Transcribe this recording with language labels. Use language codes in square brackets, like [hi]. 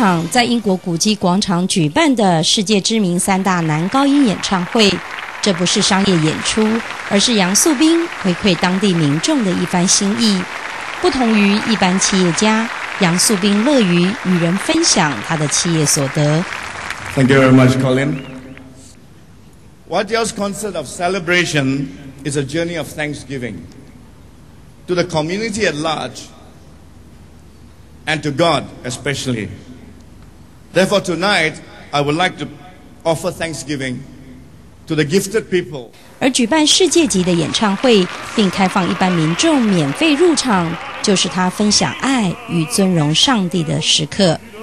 [zh] 在英国古迹广场举办的世界知名三大男高音演唱会，这不是商业演出，而是杨素宾回馈当地民众的一番心意。不同于一般企业家，杨素宾乐于与人分享他的企业所得。 [en] Thank you very much, Colin. Wattiel's concert of celebration is a journey of thanksgiving to the community at large and to God especially. Therefore, tonight, I would like to offer thanksgiving to the gifted people. [zh] 而举办世界级的演唱会，并开放一般民众免费入场，就是他分享爱与尊荣上帝的时刻。